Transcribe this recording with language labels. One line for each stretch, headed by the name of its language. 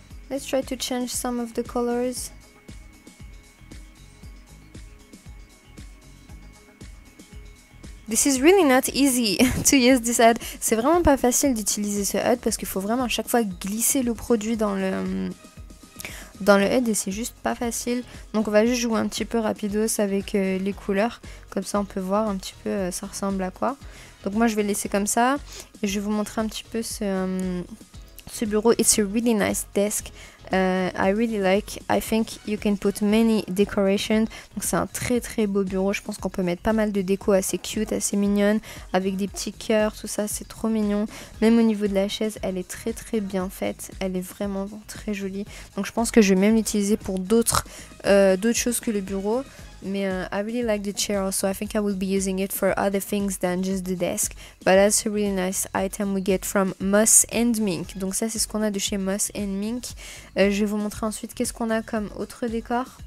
English: Let's try to change some of the colors. This is really not easy to use this HUD.
French: C'est vraiment pas facile d'utiliser ce HUD parce qu'il faut vraiment à chaque fois glisser le produit dans le HUD et c'est juste pas facile. Donc on va juste jouer un petit peu rapidos avec les couleurs. Comme ça on peut voir un petit peu ça ressemble à quoi. Donc moi je vais laisser comme ça et je vais vous montrer un petit peu ce... Ce bureau,
English: it's a really nice desk. I really like. I think you can put many decorations.
French: Donc c'est un très très beau bureau. Je pense qu'on peut mettre pas mal de déco assez cute, assez mignonne, avec des petits cœurs, tout ça. C'est trop mignon. Même au niveau de la chaise, elle est très très bien faite. Elle est vraiment très jolie. Donc je pense que je vais même l'utiliser pour d'autres choses que le bureau.
English: I really like the chair also. I think I will be using it for other things than just the desk. But that's a really nice item we get from moss&mink.
French: Donc ça, c'est ce qu'on a de chez moss&mink. Je vais vous montrer ensuite qu'est-ce qu'on a comme autre décor.